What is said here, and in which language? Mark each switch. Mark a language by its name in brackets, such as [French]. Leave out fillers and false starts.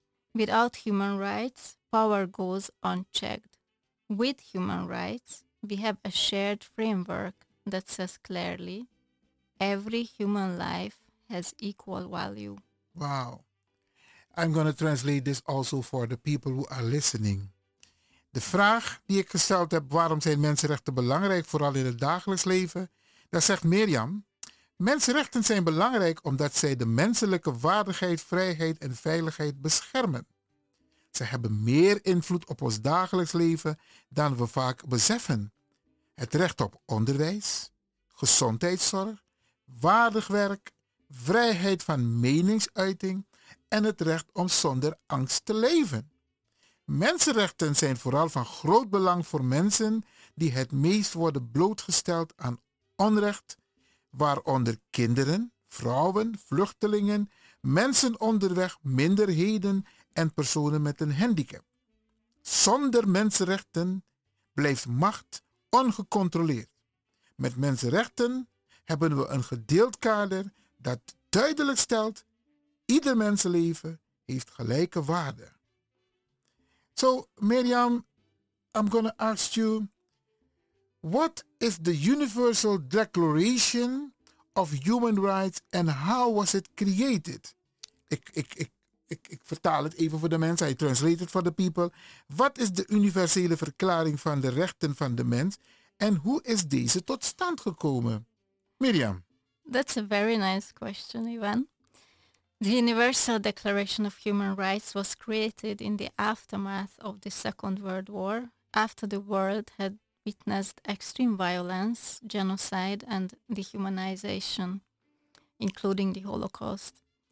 [English] Without human rights, power goes unchecked. With human rights, we have a shared framework that says clearly, every human life has equal value. Wow. I'm going to translate this also for the people who are listening. [Dutch] De vraag die ik gesteld heb, waarom zijn mensenrechten belangrijk, vooral in het dagelijks leven? Daar zegt Mirjam, mensenrechten zijn belangrijk omdat zij de menselijke waardigheid, vrijheid en veiligheid beschermen. Ze hebben meer invloed op ons dagelijks leven dan we vaak beseffen. Het recht op onderwijs, gezondheidszorg, waardig werk, vrijheid van meningsuiting en het recht om zonder angst te leven. Mensenrechten zijn vooral van groot belang voor mensen die het meest worden blootgesteld aan onrecht, waaronder kinderen, vrouwen, vluchtelingen, mensen onderweg, minderheden en personen met een handicap. Zonder mensenrechten blijft macht ongecontroleerd. Met mensenrechten hebben we een gedeeld kader dat duidelijk stelt, ieder mensenleven heeft gelijke waarde. [English] So, Mirjam, I'm going to ask you, what is the Universal Declaration of Human Rights and how was it created? [Dutch] Ik vertaal het even voor de mensen, [English] I translate it for the people. [Dutch] Wat is de universele verklaring van de rechten van de mens en hoe is deze tot stand gekomen? Mirjam. [English] That's a very nice question, Ivan. The Universal Declaration of Human Rights was created in the aftermath of the Second World War, after the world had witnessed extreme violence, genocide, and dehumanization, including the Holocaust.